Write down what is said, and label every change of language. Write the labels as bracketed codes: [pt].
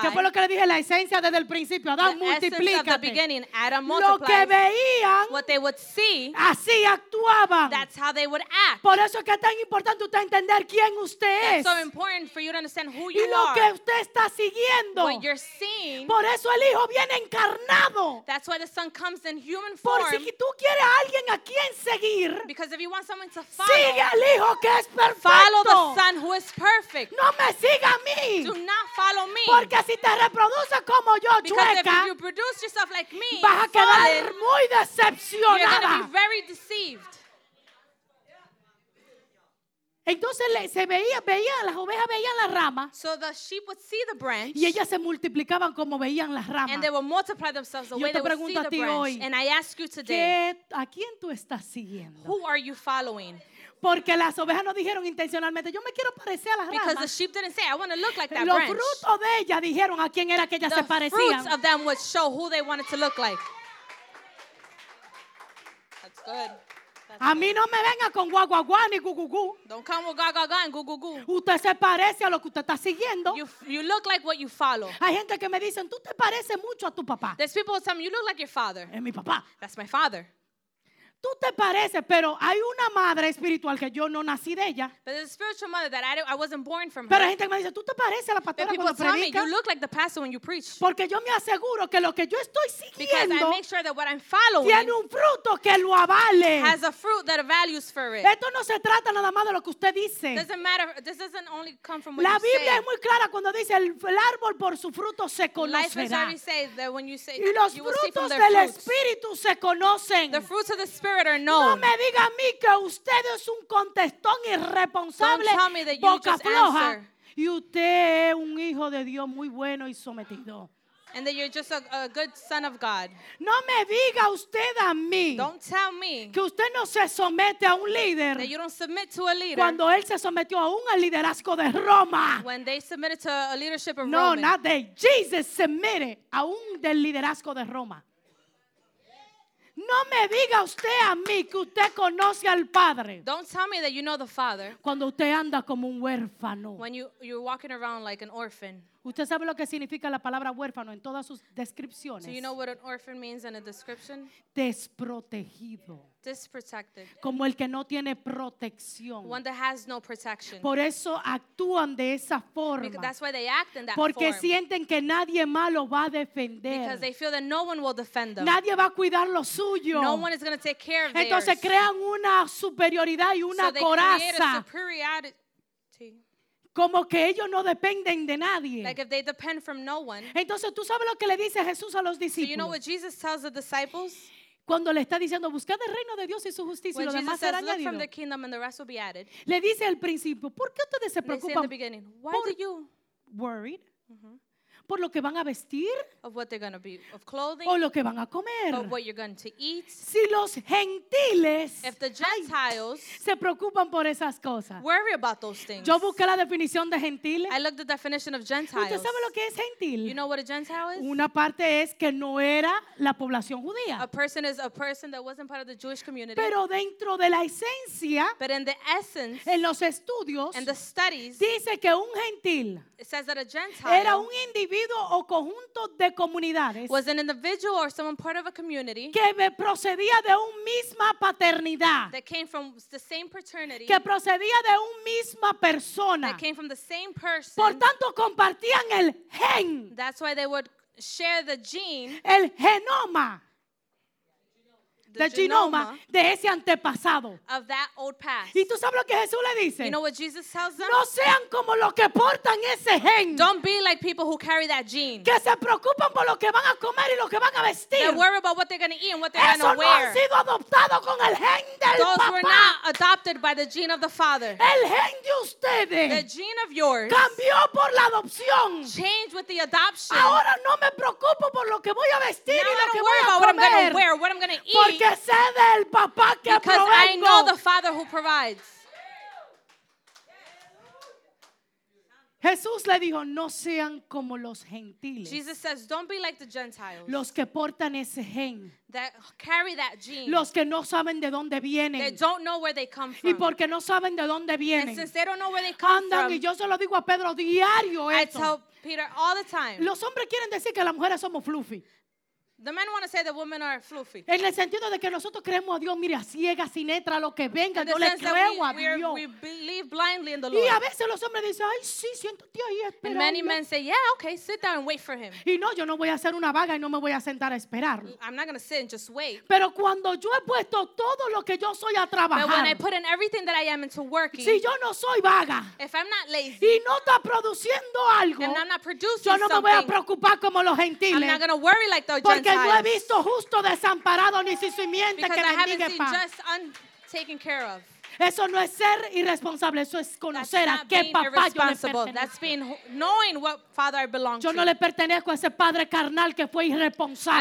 [es] que fue lo que le dije, la esencia desde el principio, Adán, multiplícate. [en] The essence of the beginning, Adam multiplies. [es] Lo que veían, [en] what they would see, [es] así actuaban. [en] That's how they would act. [es] Por eso es que es tan importante usted entender quién usted es. [en] That's so important for you to understand who you are. [es] Y lo que usted está siguiendo. [en] What you're seeing. [es] Por eso el Hijo viene encarnado. [en] That's why the Son comes in human form. [es] Por si tú quieres a alguien a quien seguir, [en] because if you want someone to follow, [es] sigue al Hijo que es perfecto. [en] Follow the Son who is perfect. [es] No me siga a mí. [en] Do not follow me. [es] Porque si te reproduces como yo, chueca, [en] if you produce yourself like me, [es] vas a quedar muy decepcionada. [en] You're going to be very deceived. [es] Entonces se veía las ovejas veían las ramas. [en] So the sheep would see the branch. [es] Y ellas se multiplicaban como veían las ramas. [en] And they would multiply themselves the [es] yo [en] way they would see the branch. [es] Hoy, [en] and I ask you today, [es] ¿a quién tú estás siguiendo? [en] Who are you following? [es] Porque las ovejas no dijeron intencionalmente, yo me quiero parecer a las ramas. [en] Because the sheep didn't say, I want to look like that [es] los [en] branch. [es] Los frutos de ellas dijeron a quién era que ellas [en] the [es] se parecían. [en] The fruits of them would show who they wanted to look like. That's good. [es] A mí no me venga con guaguaguá ni gugugú. [en] Don't come with guaguaguá and gugugú. [es] Usted se parece a lo que usted está siguiendo. [en] You look like what you follow. [es] Hay gente que me dicen, tú te pareces mucho a tu papá. [en] There's people who tell me, you look like your father. [es] Es mi papá. [en] That's my father. [es] Tú te pareces, pero hay una madre espiritual que yo no nací de ella. [en] But there's a spiritual mother that I wasn't born from her. [es] Pero hay gente que me dice, tú te pareces a la pastora cuando predica. [en] But people tell me, you look like the pastor when you preach. [es] Porque yo me aseguro que lo que yo estoy siguiendo, [en] because I make sure that what I'm following, [es] tiene un fruto que lo avale. [en] Has a fruit that values for it. [es] Esto no se trata nada más de lo que usted dice. [en] It doesn't matter. This doesn't only come from what [es] la [en] you say. [es] La Biblia es muy clara cuando dice, el árbol por su fruto se conocerá. [en] Life is already said that when you say, [es] y los frutos del espíritu se conocen. [en] The fruits of the spirit. [es] No me diga a mí que usted es un contestón irresponsable, boca floja, y usted es un hijo de Dios muy bueno y sometido. [en] And that you're just a good son of God. [es] No me diga usted a mí. [en] Don't tell me. [es] Que usted no se somete a un líder. [en] That you don't submit to a leader. [es] Cuando él se sometió aún al liderazgo de Roma. [en] When they submitted to a leadership of [es] no, [en] No, not they. Jesus submitted [es] aún del liderazgo de Roma. No me diga usted a mí que usted conoce al Padre. [en] Don't tell me that you know the Father. [es] Cuando usted anda como un huérfano. [en] When you're walking around like an orphan. [es] ¿Usted sabe lo que significa la palabra huérfano en todas sus descripciones? [en] Do you know what an orphan means in a description? [es] Desprotegido. [en] Disprotected. [es] Como el que no tiene protección. [en] One that has no protection. [es] Por eso actúan de esa forma. [en] Because that's why they act in that form. [es] Porque sienten que nadie más lo va a defender. [en] Because they feel that no one will defend them. [es] Nadie va a cuidar lo suyo. [en] No one is going to take care of theirs. [es] Entonces crean una superioridad y una coraza. [en] So they create a superiority. [es] Como que ellos no dependen de nadie. [en] Like if they depend from no one. [es] Entonces, ¿tú sabes lo que le dice Jesús a los discípulos? [en] So you know what Jesus tells the disciples? [es] Cuando le está diciendo, buscad el reino de Dios y su justicia, [en] when [es] y lo demás será añadido. [en] When Jesus says, look from the kingdom and the rest will be added. [es] Le dice al principio, ¿por qué ustedes se [en] and [es] preocupan? [en] They say in the beginning, why are you worried? [es] Por lo que van a vestir. [en] Of what they're going to be, of clothing. [es] O lo que van a comer. [en] Of what you're going to eat. [es] Si los gentiles. [en] If the Gentiles. [es] Ay, se preocupan por esas cosas. [en] Worry about those things. [es] Yo busqué la definición de gentiles. [en] I looked the definition of Gentiles. [es] ¿Usted sabe lo que es gentil? [en] You know what a Gentile is? [es] Una parte es que no era la población judía. [en] A person is a person that wasn't part of the Jewish community. [es] Pero dentro de la esencia. [en] But in the essence. [es] En los estudios. [en] And the studies. [es] Dice que un gentil. [en] It says that a Gentile. [es] Era un individuo o conjunto de comunidades. [en] Was an individual or someone part of a community. [es] Que procedía de una misma paternidad. [en] That came from the same paternity. [es] Que procedía de una misma persona. [en] That came from the same person. [es] Por tanto, compartían el gen. [en] That's why they would share the gene. [es] El genoma. [en] The [es] genoma de ese antepasado. [en] Of that old past. [es] ¿Y tú sabes lo que Jesús le dice? [en] You know what Jesus tells them? [es] No sean como los que portan ese gen. [en] Don't be like people who carry that gene. [es] Que se preocupan por lo que van a comer y lo que van a vestir. [en] They worry about what they're going to eat and what they're going to wear. [es] Eso no ha sido adoptado con el gen del [en] those Those were not adopted by the gene of the father. [es] El gen de ustedes. [en] The gene of yours. [es] Cambió por la adopción. [en] Changed with the adoption. [es] Ahora no me preocupo por lo que voy a vestir [en] now [es] y lo que voy a comer. [en] Now I don't worry about what I'm going to wear, what I'm going to eat. [es] Porque sé del papá que provengo. [en] Because I know the Father who provides. [es] Jesús le dijo, no sean como los gentiles. [en] Jesus says, don't be like the Gentiles. [es] Los que portan ese gen. [en] That carry that gene. [es] Los que no saben de dónde vienen. [en] They don't know where they come from. [es] Y porque no saben de dónde vienen. [en] And since they don't know where they come [es] andan, [en] from. [es] Y yo se lo digo a Pedro diario esto. [en] I tell Peter all the time. [es] Los hombres quieren decir que las mujeres somos fluffy. [en] The men want to say that women are fluffy. [es] En el sentido de que nosotros creemos a Dios, mire, a ciega, sin letra, lo que venga, yo le creo a Dios. [en] We believe blindly in the Lord. [es] Y a veces los hombres dicen, ay, sí, siéntate ahí esperando. [en] And many men say, yeah, okay, sit down and wait for him. [es] Y no, yo no voy a hacer una vaga y no me voy a sentar a esperarlo. [en] I'm not going to sit and just wait. [es] Pero cuando yo he puesto todo lo que yo soy a trabajar. [en] But when I put in everything that I am into working. [es] Si yo no soy vaga. [en] If I'm not lazy. [es] Y no está produciendo algo. [en] And I'm not producing something. [es] Yo no me voy a preocupar como los gentiles. [en] I'm not going to worry like the Gentiles. [es] No he visto justo desamparado ni sin simiente [en] because [es] que [en] I [es] bendiga pan. Eso no es ser irresponsable, eso es conocer [en] that's [es] a qué papá yo le pertenezco. [en] That's being knowing what father I belong to. [es] Yo no le pertenezco a ese padre carnal que fue irresponsable.